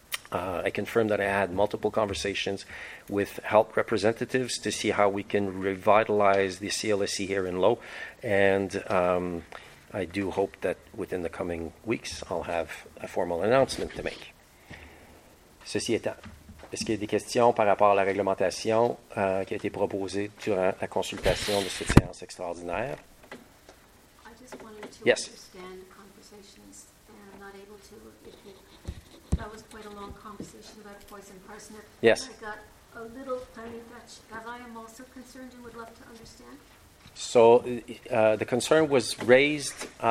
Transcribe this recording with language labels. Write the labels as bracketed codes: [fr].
[en] I confirmed that I had multiple conversations with health representatives to see how we can revitalize the CLSC here in Lowe. And I do hope that within the coming weeks, I'll have a formal announcement to make. [fr] Ceci étant, est-ce qu'il y a des questions par rapport à la réglementation qui a été proposée durant la consultation de cette séance extraordinaire? [en] I just wanted to understand the conversations, and I'm not able to. That was quite a long conversation about poison parsnip. Yes. I got a little tiny touch that I am also concerned and would love to understand. So the concern was raised.